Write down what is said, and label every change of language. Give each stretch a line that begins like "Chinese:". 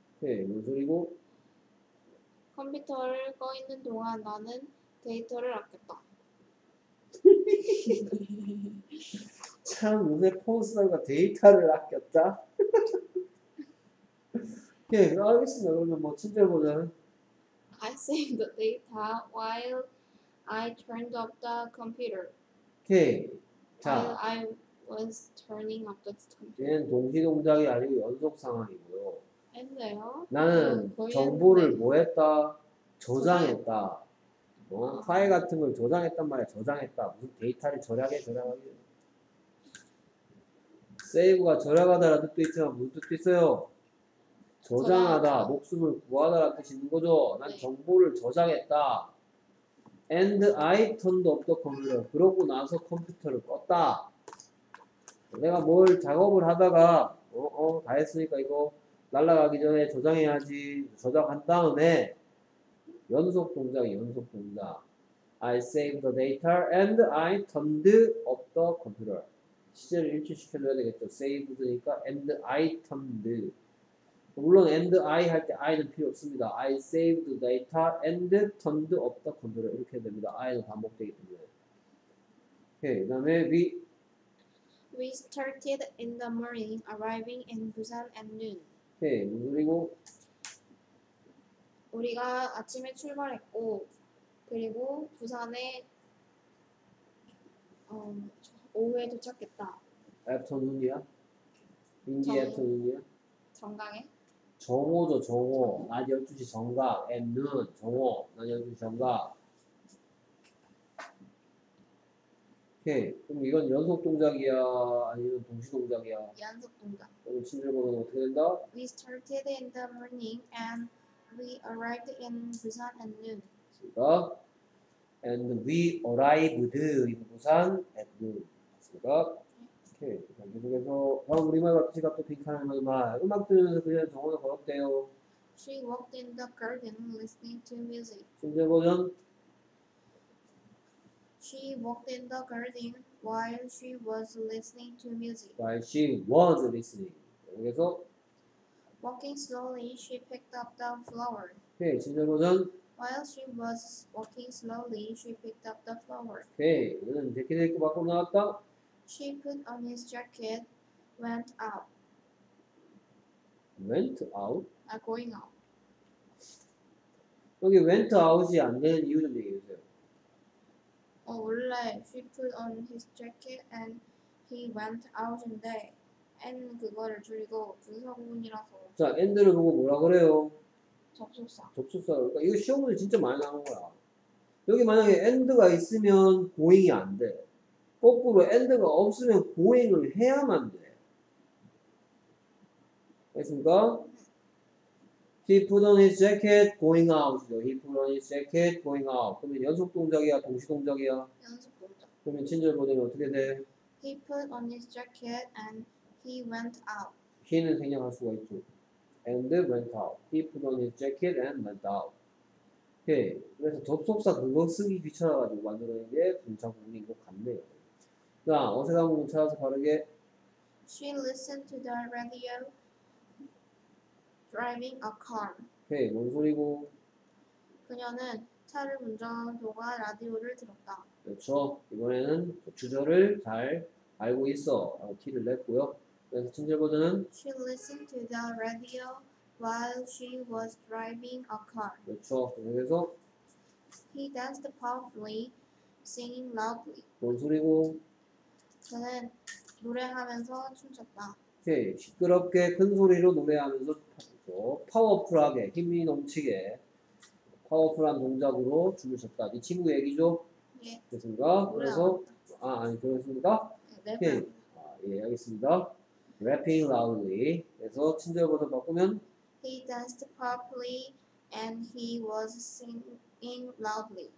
Korean: 오케이, 뭔 소리고? 컴퓨터를 꺼 있는 동안 나는 데이터를 아꼈다. 참 요새 폰스가 데이터를 아꼈다. 예, 알겠습니다. 그러면 뭐 친절 보자.
English: I saved the data while I turned off the computer.
Korean: 오케이.
English: While I was turning off the computer.
Korean: 얘는 동시 동작이 아니고 연속 상황이고요. 했네요. 나는 정보를 뭐했다? 저장했다. 뭐 파일 같은 걸 저장했단 말이야. 저장했다. 무슨 데이터를 절약해 저장하기. 세이브가 절약하다라는 뜻도 있지만 무슨 뜻도 있어요. 저장하다. 저장. 목숨을 구하다라는 뜻이 있는 거죠. 난 네. 정보를 저장했다.
English: And I turned off the computer.
Korean: 그러고 나서 컴퓨터를 껐다. 내가 뭘 작업을 하다가 다 했으니까 이거 날아가기 전에 저장해야지. 저장한 다음에 연속 동작, 연속 동작.
English: I saved the data and I turned off the computer.
Korean: 시제를 일치시켜줘야 되겠죠. Saved니까
English: and I turned.
Korean: 물론 and I 할 때 I는 필요 없습니다.
English: I saved the data and turned off the computer.
Korean: 이렇게 해야 됩니다. I는 반복되기 때문에. 오케이, 그 다음에 We
English: started in the morning, arriving in Busan at noon.
Korean: 오케이, 그리고 우리가 아침에 출발했고 그리고 부산에 오후에 도착했다. Afternoon이야? 인디 afternoon이야? 정강에? 정오죠. 정오. 낮 12시 정각. At noon. 정오. 낮 12시 정각. 오케이. 그럼 이건 연속 동작이야? 아니면 동시 동작이야? 연속 동작. 그럼 친절보는 어떻게 된다?
English: We started in the morning and We arrived in Busan at noon.
Korean: 맞습니다.
English: And we arrived in Busan at noon.
Korean: 맞습니다. 오케이. 그럼 계속해서 다음 우리말과 같이 갖고 핑크하는 우리말. 음악 들으면서 그녀는 정원을 걸었대요.
English: She walked in the garden listening to music.
Korean: 순서 버전.
English: She walked in the garden while she was listening to music. While she was listening.
Korean: 계속해서
English: Walking slowly, she picked up the flower.
Korean: 오케이, 친절 버전.
English: While she was walking slowly, she picked up the flower.
Korean: 오케이, 이거는 재킷 입고 밖으로 나왔다.
English: She put on his jacket, went out. went out? are going out.
Korean: 여기 went out이 안 되는 이유 좀 얘기해 주세요. 원래
English: she put on his jacket and he went out
Korean: 인데 and 그거를 줄이고 분사구문이라서. 자, and를 보고 뭐라 그래요? 접속사. 접속사. 그러니까 이거 시험 문제 진짜 많이 나오는 거야. 여기 만약에 and가 있으면 going이 안 돼. 거꾸로 and가 없으면 going을 해야만 돼. 알겠습니까?
English: He put on his jacket, going out. He put on his jacket, going out.
Korean: 그러면 연속 동작이야, 동시 동작이야? 연속 동작. 그러면 친절 보내면 어떻게 돼?
English: He put on his jacket and he went out.
Korean: He는 생략할 수가 있죠.
English: And went out. He put on his jacket and went out.
Korean: 오케이. 그래서 접속사 그거 쓰기 귀찮아가지고 만드는 게 분차구문인 것 같네요. 자, 어색한 부분 찾아서 바르게.
English: She listened to the radio. Driving a car.
Korean: 오케이, 뭔 소리고? 그녀는 차를 운전하는 동안 라디오를 들었다. 그렇죠. 이번에는 주절을 잘 알고 있어. 라고 티를 냈고요. 그래서 친절 버전은?
English: She listened to the radio while she was driving a car.
Korean: 그렇죠. 그래서?
English: He danced powerfully, singing loudly.
Korean: 뭔 소리고? 그는 노래하면서 춤췄다. 오케이, 시끄럽게 큰 소리로 노래하면서 또 파워풀하게 힘이 넘치게 파워풀한 동작으로 주무셨다. 이 친구 얘기죠? 예. 됐습니까? 그래서 아 아니 그렇습니까? 네. 아, 예, 알겠습니다.
English: Rapping loudly.
Korean: 그래서 친절 버전 바꾸면
English: He danced powerfully and he was singing loudly.